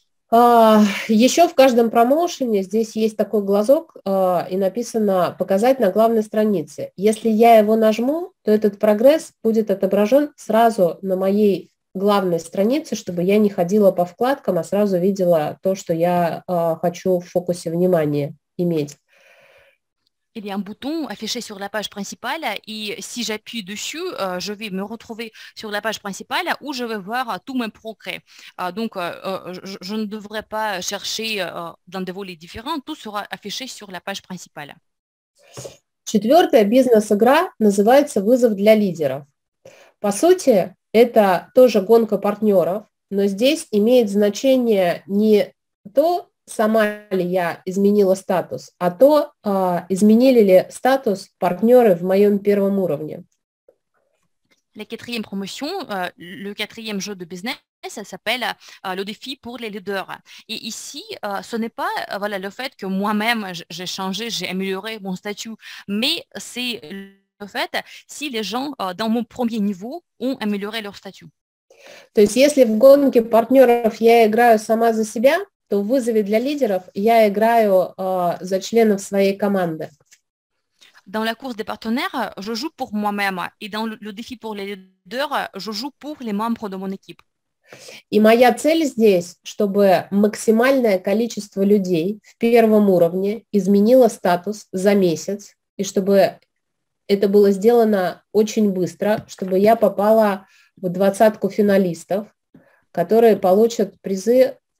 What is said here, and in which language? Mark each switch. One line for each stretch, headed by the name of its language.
Russian: Еще в каждом промоушене здесь есть такой глазок, и написано «показать на главной странице». Если я его нажму, то этот прогресс будет отображен сразу на моей главной странице, чтобы я не ходила по вкладкам, а сразу видела то, что я хочу в фокусе внимания иметь.
French: Il y a un bouton affiché sur la page principale et si j'appuie dessus, je vais me retrouver sur la page principale où je vais voir tous mes progrès. Donc, je ne devrais pas chercher dans des volets différents, tout sera affiché sur la page principale.
Russian: Четвертая бизнес-игра называется «Вызов для лидеров». По сути, это тоже гонка партнеров, но здесь имеет значение не то, сама ли я изменила статус, а то изменили ли статус партнеры в моем первом уровне.
French: La quatrième promotion, le quatrième jeu de business, ça s'appelle le défi pour les leaders. Et ici, ce n'est pas voilà, le fait que moi-même j'ai changé, j'ai amélioré mon statut, mais c'est le fait si les gens dans mon premier niveau ont amélioré leur statut.
Russian: То есть если в гонке партнеров я играю сама за себя, то в вызове для лидеров я играю за членов своей команды.
French: Dans la course des partenaires, je joue pour moi-même. Et dans le défi pour les leaders, je joue pour les membres de mon équipe.
Russian: И моя цель здесь, чтобы максимальное количество людей в первом уровне изменило статус за месяц, и чтобы это было сделано очень быстро, чтобы я попала в двадцатку финалистов, которые получат призы...